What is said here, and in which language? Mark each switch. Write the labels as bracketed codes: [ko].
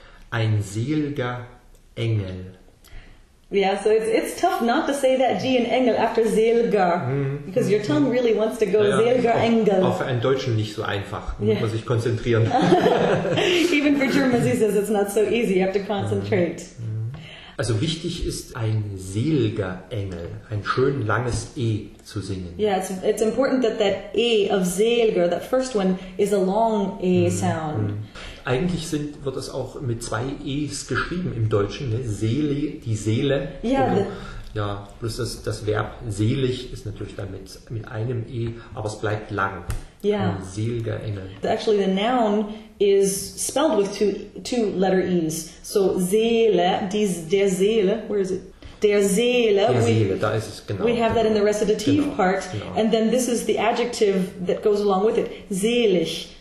[de] Ein seliger Engel. [en] Yeah, so it's tough not to say that G in Engel after seliger. Because your tongue really wants to go seliger Engel. [de] Auf einen Deutschen nicht so einfach. Yeah. Muss man sich konzentrieren. [en] Even for Germans, he says it's not so easy. You have to concentrate. [de] Also wichtig ist, ein seliger Engel, ein schön langes E zu singen. [en] Yeah, it's important that E of seliger, that first one, is a long E sound. [de] Eigentlich wird es auch mit zwei E's geschrieben im Deutschen, ne? Seele, die Seele. Yeah, bloß das Verb selig ist natürlich dann mit einem E, aber es bleibt lang. Yeah. Ein seliger Engel. [en] Actually, the noun is spelled with two letter E's. [de] So Seele, der Seele, [en] where is it? [de] Der Seele. Der Seele, da ist es, genau. [en] We have that in the recitative part. [de] Genau. [en] And then this is the adjective that goes along with it. Selig.